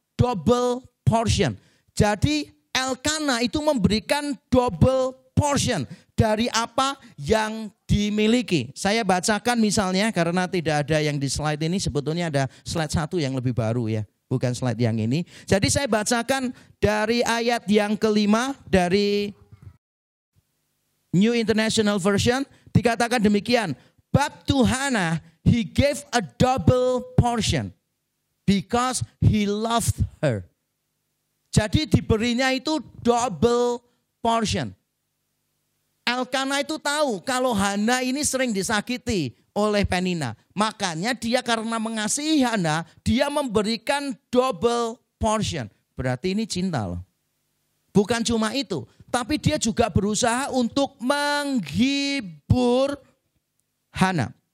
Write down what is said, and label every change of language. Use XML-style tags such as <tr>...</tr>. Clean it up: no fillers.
<id>double portion. Jadi Elkana itu memberikan double portion dari apa yang dimiliki. Saya bacakan misalnya karena tidak ada yang di slide ini. Sebetulnya ada slide satu yang lebih baru ya. Bukan slide yang ini. Jadi saya bacakan dari ayat yang kelima dari New International Version. Dikatakan demikian.</id> <en>But to Hannah, he gave a double portion because he loved her.</en> <id>Jadi diberinya itu double portion. Elkana itu tahu kalau Hannah ini sering disakiti oleh Penina. Makanya dia karena mengasihi Hannah, dia memberikan double portion. Berarti ini cinta loh. Bukan cuma itu, tapi dia juga berusaha untuk menghibur Hannah.</id>